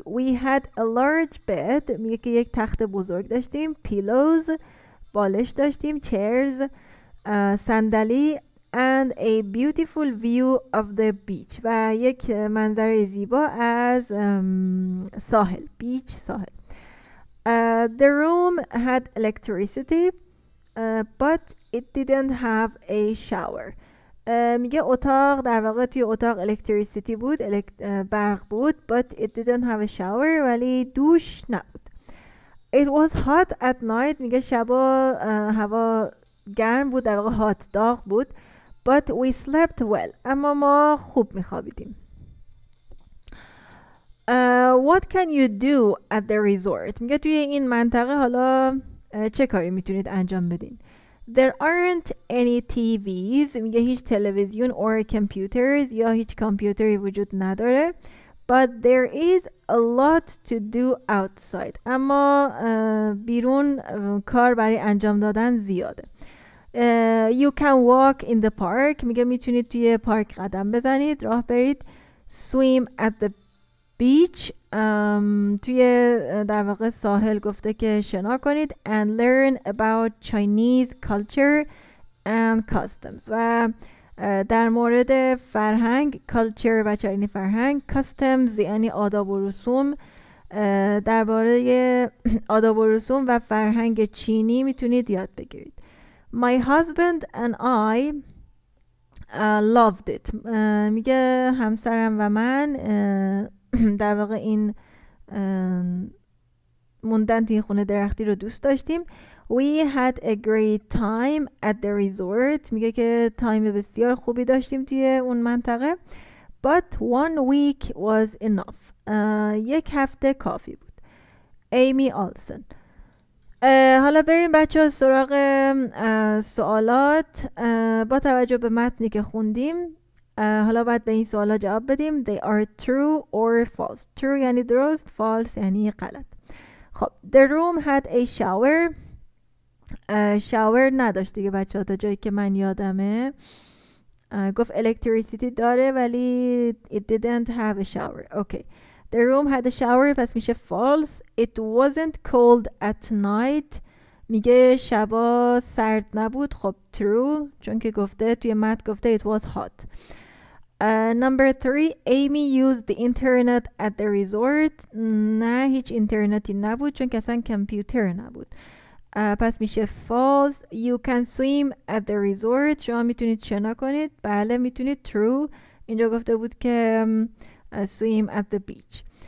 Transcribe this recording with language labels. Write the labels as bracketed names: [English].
[English] We had a large bed، [Persian] میگه که یک تخت بزرگ داشتیم. Pillows، بالش داشتیم. Chairs، صندلی. [English] And a beautiful view of the beach، [Persian] و یک منظره زیبا از ساحل، بیچ ساحل. [English] The room had electricity، but it didn't have a shower. [Persian] میگه اتاق در واقع توی اتاق الکتریسیتی بود، برق بود. [English] But it didn't have a shower، [Persian] ولی دوش نبود. [English] It was hot at night، [Persian] میگه شبا هوا گرم بود، در واقع هات داغ بود. [English] But we slept well، [Persian] اما ما خوب میخوابیدیم. [English] What can you do at the resort؟ [Persian] میگه توی این منطقه حالا چه کاری میتونید انجام بدین؟ [English] There aren't any TVs، [Persian] میگه هیچ تلویزیون [English] or computers [Persian] یا هیچ کامپیوتری وجود نداره. [English] But there is a lot to do outside، [Persian] اما بیرون کار برای انجام دادن زیاده. [English] You can walk in the park، [Persian] میگه میتونید توی پارک قدم بزنید، راه برید. [English] Swim at the beach، [Persian] توی در واقع ساحل گفته که شنا کنید. [English] And learn about Chinese culture and customs، [Persian] و در مورد فرهنگ، culture و چینی فرهنگ، customs یعنی آداب و رسوم، درباره آداب و رسوم و فرهنگ چینی میتونید یاد بگیرید. [English] My husband and I loved it، [Persian] میگه همسرم و من در واقع این موندن توی خونه درختی رو دوست داشتیم. [English] We had a great time at the resort، [Persian] میگه که تایم بسیار خوبی داشتیم توی اون منطقه. [English] But one week was enough، [Persian] یک هفته کافی بود. [English] Amy Olsen. [Persian] حالا بریم بچه ها سراغ سوالات. با توجه به متنی که خوندیم حالا باید به این سوالا جواب بدیم. [English] They are true or false. [Persian] True یعنی درست، false یعنی غلط. خب [English] the room had a shower، [Persian] shower نداشت دیگه بچه ها تا جایی که من یادمه. گفت electricity داره ولی [English] it didn't have a shower. [Persian] Okay. [English] The room had a shower, [Persian] پس میشه [English] false. It wasn't cold at night. [Persian] میگه شبا سرد نبود. خب [English] true. [Persian] چون که گفته توی مت گفته [English] it was hot. Number three, Amy used the internet at the resort. [Persian] نه هیچ اینترنتی نبود چون که اصلا کمپیوتر نبود. پس میشه false. [English] You can swim at the resort. [Persian] شما میتونید شنا کنید. بله میتونید. True. اینجا گفته بود که [English] swim at the beach.